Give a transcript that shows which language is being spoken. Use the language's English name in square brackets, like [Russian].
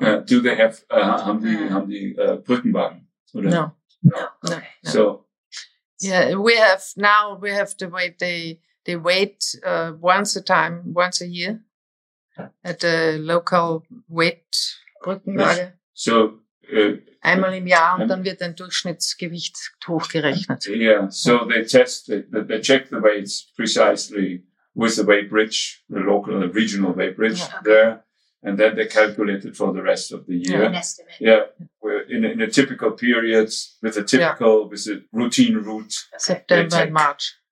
[English] Do they have Brückenwagen? No. We have now. We have to wait. They wait once a year at the local weight Brückenwaage. So [German] einmal im Jahr, und dann wird ein Durchschnittsgewicht hochgerechnet. [English] Yeah. So they test. They check the weights precisely with the weight bridge, the local, the regional weight bridge there. And then they calculate it for the rest of the year. An estimate. Yeah. We're in a typical period with a typical, with a routine route. September and March.